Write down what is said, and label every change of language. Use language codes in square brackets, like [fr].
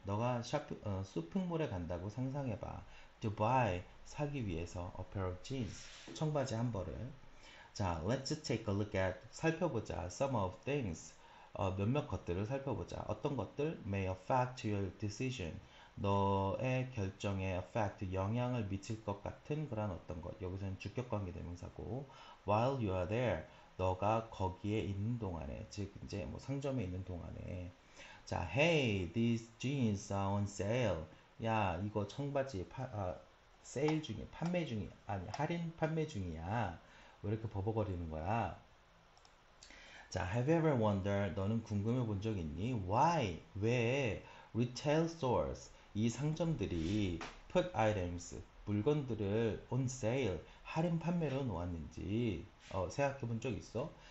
[ko] 너가 쇼핑몰에 간다고 상상해봐. [en] To buy, [ko] 사기 위해서 [en] a pair of jeans, [ko] 청바지 한 벌을. [en] 자, let's take a look at, [ko] 살펴보자. [en] Some of things. [ko] 몇몇 것들을 살펴보자. 어떤 것들 [en] may affect your decision. [ko] 너의 결정에 affect, 영향을 미칠 것 같은 그런 어떤 것. 여기서는 주격관계대명사고. [en] While you are there, [ko] 너가 거기에 있는 동안에, 즉 이제 뭐 상점에 있는 동안에. 자, [en] hey, these jeans are on sale. [ko] 야, 이거 청바지 세일 중이야. 판매 중이야. 아니, 할인 판매 중이야. 왜 이렇게 버벅거리는 거야? 자, [en] have you ever wondered, [ko] 너는 궁금해 본적 있니? Why, 왜, [en] retail stores, [ko] 이 상점들이 [en] put items, [ko] 물건들을 on sale, 할인 판매로 놓았는지, 생각해 본적 있어?